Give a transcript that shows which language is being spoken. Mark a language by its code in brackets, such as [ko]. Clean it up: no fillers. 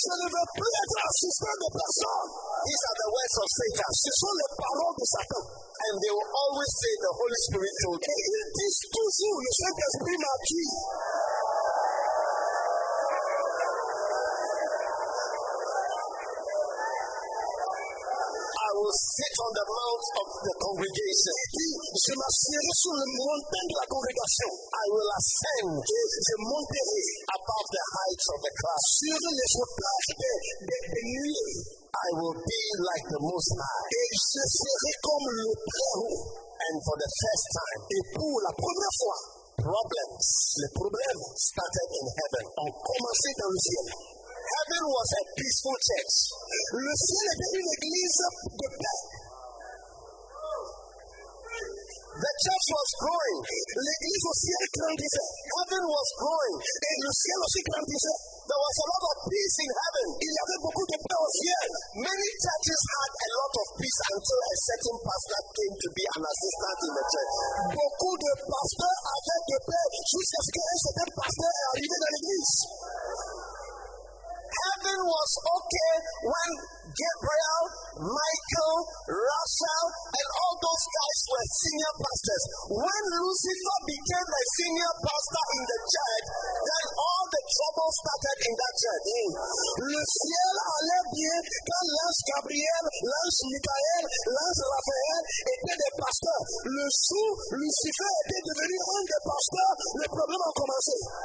[fr] Je ne veux plus être assistant de personne. [en] These are the words of Satan. [fr] Ce sont les paroles de Satan. [en] And they will always say the Holy Spirit told me. [fr] Et ils disent toujours, le Saint-Esprit m'a dit. [en] I will sit on the mount of the congregation. [fr] Je m'assierai sur le montagne de la congrégation. [en] I will ascend. [fr] Je monterai [en] above the heights of the cloud. [fr] Sur les hauteurs de nuit. [en] I will be like the Most High. [fr] Je serai comme le Très-Haut. [en] And for the first time, [fr] et pour la première fois, [en] problems, [fr] les problèmes, [en] started in heaven, [fr] ont commencé dans le ciel. [en] Heaven was a peaceful church. [fr] Le ciel était une église de paix. [en] The church was growing. [fr] L'église au ciel grandissait. [en] Heaven was growing. [fr] Et le ciel aussi grandissait. [en] There was a lot of peace in heaven. [fr] Il y avait beaucoup de paix au ciel. [en] Many churches had a lot of peace until a certain pastor came to be an assistant in the church. [fr] Beaucoup de pasteurs avaient de paix jusqu'à ce qu'un certain pasteur est arrivé dans l'église. [en] Heaven was okay when Gabriel, Michael, Rachel, and all those guys were senior pastors. When Lucifer became a senior pastor in the church, then all the trouble started in that church. Mm. [fr] Le ciel allait bien quand l'ange Gabriel, l'ange Michael, l'ange Raphaël étaient des pasteurs. Le jour Lucifer était devenu un des pasteurs, les problèmes ont commencé.